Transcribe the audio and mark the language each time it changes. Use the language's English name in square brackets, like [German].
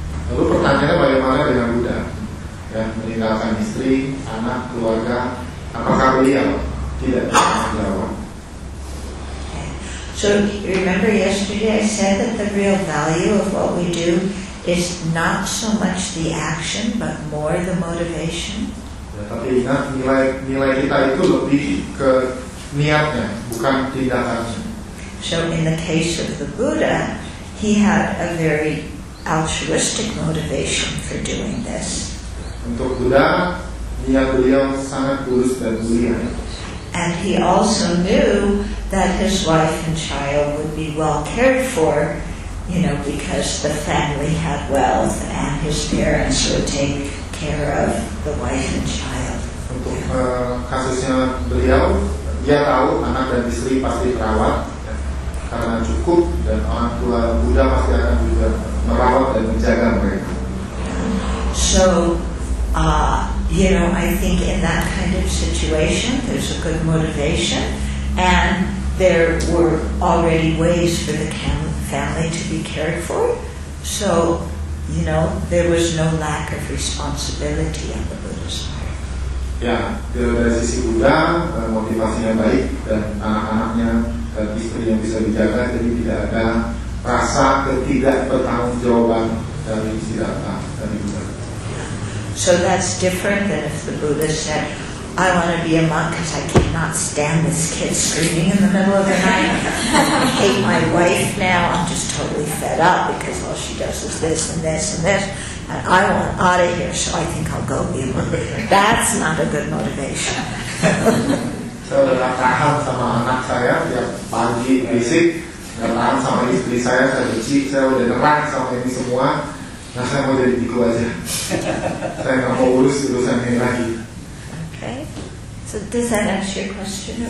[Indonesian] Lalu pertanyaannya bagaimana dengan Buddha yang meninggalkan istri, anak, keluarga? Apakah beliau tidak bertanggung jawab? [English] So remember yesterday I said that the real value of what we do is not so much the action but more the motivation. [Indonesian] Ya, tapi ingat nilai kita itu lebih ke niatnya, bukan tindakannya. [English] So in the case of the Buddha, he had a very altruistic motivation for doing this. [Indonesian] Untuk Buddha, niat beliau sangat tulus dan mulia. [English] And he also knew that his wife and child would be well cared for, you know, because the family had wealth and his parents would take care of the wife and child. [Indonesian] Untuk kasusnya beliau, dia tahu anak dan istri pasti terawat. Karena cukup dan orang tua Buddha pasti akan juga merawat dan menjaga mereka. [English] So, you know, I think in that kind of situation, there's a good motivation, and there were already ways for the family to be cared for. So, you know, there was no lack of responsibility on the Buddha's part. [Indonesian] Ya, dari sisi Buddha, motivasinya baik dan anak-anaknya. Istri yang bisa dijaga, jadi tidak ada rasa ketidakbertanggungjawaban dari Siddhartha dan Buddha. [English] So that's different than if the Buddha said, I want to be a monk because I cannot stand this kid screaming in the middle of the night. I hate my wife now. I'm just totally fed up because all she does is this and this and this. And I want out of here, so I think I'll go be a monk. That's not a good motivation. [Indonesian] Saya sudah tahan sama anak saya tiap pagi berisik, dan tahan sama istri saya, saya benci, saya sudah nerang sama ini semua. Nah, saya mau jadi biku aja. Saya nggak mau urus urusan ini lagi. [English] Okay, so does that answer your question?